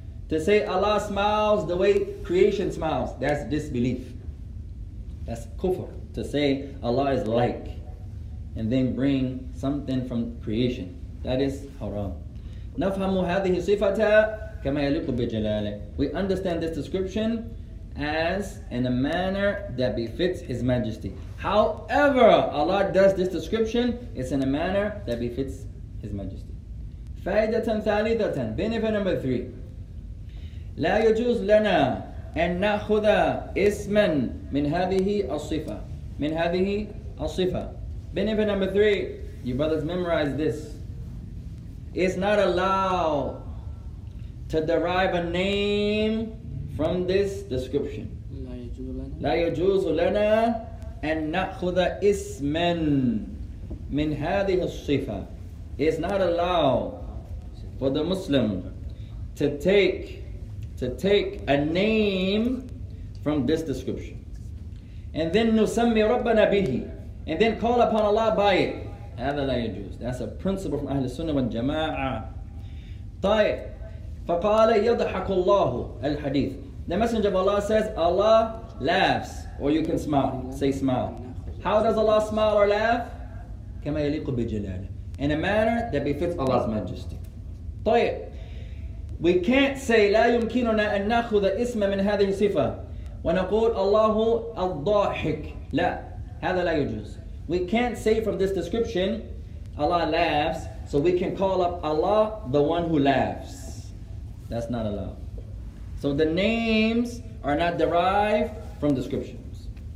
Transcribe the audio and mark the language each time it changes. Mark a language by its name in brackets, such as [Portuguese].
[English] To say Allah smiles the way creation smiles, that's disbelief. That's kufr. To say Allah is like and then bring something from creation, that is haram. [Arabic] نفهم هذه الصفة كما يليق بجلاله. [English] We understand this description as in a manner that befits His Majesty. However Allah does this description, it's in a manner that befits His Majesty. [Arabic] فائدة ثالثة. [English] Benefit number three. [Arabic] لا يجوز لنا أن نأخذ اسما من هذه الصفة. من هذه الصفة. Benefit number three. [English] You brothers memorize this. It's not allowed to derive a name from this description. [Arabic] لا يجوز لنا أن نأخذ اسما من هذه الصفة. [English] It's not allowed for the Muslim to take a name from this description. And then [Arabic] نسمي ربنا به. [English] And then call upon Allah by it. [Arabic] هذا لا يجوز. [English] That's a principle from أهل السنة والجماعة. طيب. [Arabic] فقال يضحك الله الحديث. [English] The Messenger of Allah says Allah laughs. Or you can smile. Say smile. How does Allah smile or laugh? [Arabic] كما يليق بجلاله. [English] In a manner that befits Allah's majesty. طيب. We can't say [Arabic] لا يمكننا أن نأخذ اسم من هذه الصفة ونقول الله الضاحك. لا. هذا لا يجوز. [English] We can't say from this description Allah laughs, so we can call up Allah the one who laughs. That's not allowed. So the names are not derived from descriptions.